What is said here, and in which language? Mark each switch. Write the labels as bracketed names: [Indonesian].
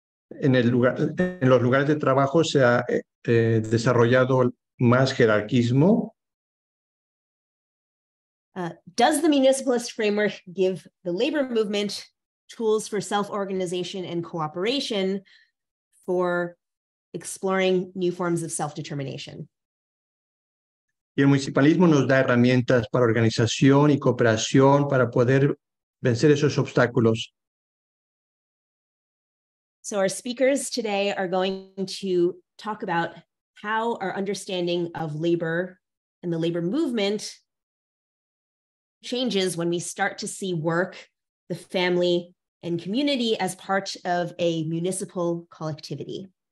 [Spanish] en los lugares de trabajo se ha desarrollado más jerarquismo. [English] Does the municipalist framework give the labor movement tools for self-organization and cooperation for exploring new forms of self-determination? [Spanish] Y el municipalismo nos da herramientas para organización y cooperación para poder vencer esos obstáculos. [English] So our speakers today are going to talk about how our understanding of labor and the labor movement changes when we start to see work, the family, and community as part of a municipal collectivity.